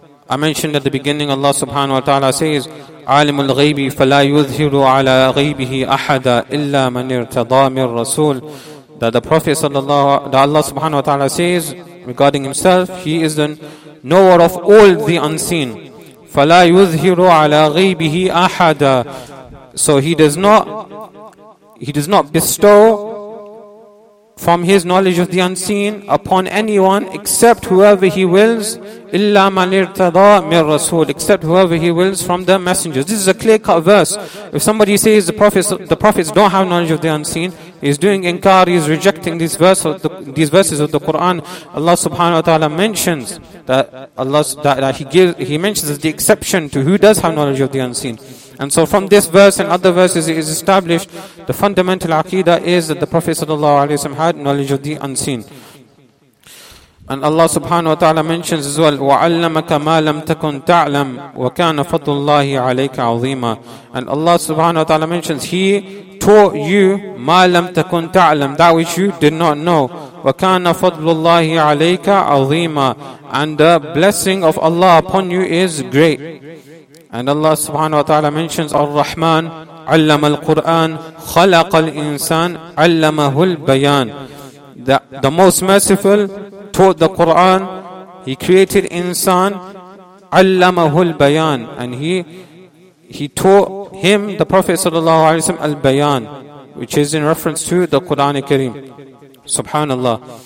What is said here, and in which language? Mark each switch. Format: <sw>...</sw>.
<en>I mentioned at the beginning, Allah subhanahu wa ta'ala says,</en> <ar>عالم الغيب فلا يظهر على غيبه أحدا إلا من ارتضى من الرسول</ar> <en>that the Prophet sallallahu that Allah subhanahu wa ta'ala says regarding himself, he is the knower of all the unseen.</en> <ar>فَلَا يُظْهِرُ عَلَىٰ غَيْبِهِ أَحَدًا.</ar> <en>So he does not bestow from his knowledge of the unseen upon anyone except whoever he wills,</en> <ar>إِلَّا مَنِ ارْتَضَىٰ مِنْ رَسُولِ,</ar> <en>except whoever he wills from the messengers. This is a clear-cut verse. If somebody says the prophets don't have knowledge of the unseen, he's doing inkar, he's rejecting these verses of the Quran. Allah subhanahu wa ta'ala mentions that he mentions the exception to who does have knowledge of the unseen. And so from this verse and other verses, it is established the fundamental aqidah is that the Prophet sallallahu alayhi wa sallam had knowledge of the unseen. And Allah subhanahu wa ta'ala mentions as well,</en> <ar>وَعَلَّمَكَ مَا لَمْ تَكُنْ تَعْلَمْ وَكَانَ فَضُّ اللَّهِ عَلَيْكَ عَظِيمًا.</ar> <en>And Allah subhanahu wa ta'ala mentions, he taught you</en> <ar>مَا لَمْ تَكُنْ تَعْلَمْ,</ar> <en>that which you did not know.</en> <ar>وَكَانَ فَضُّ اللَّهِ عَلَيْكَ عَظِيمًا.</ar> <en>And the blessing of Allah upon you is great. And Allah subhanahu wa ta'ala mentions,</en> <ar>الرحمن علم القرآن خلق الإنسان علمه البيان.</ar> <en>The most merciful taught the Quran, he created insan,</en> <ar>عَلَّمَهُ الْبَيَانِ,</ar> <en>and he taught him, the Prophet sallallahu alayhi wa sallam, al-bayan, which is in reference to the Quran al-Kareem. Subhanallah.</en>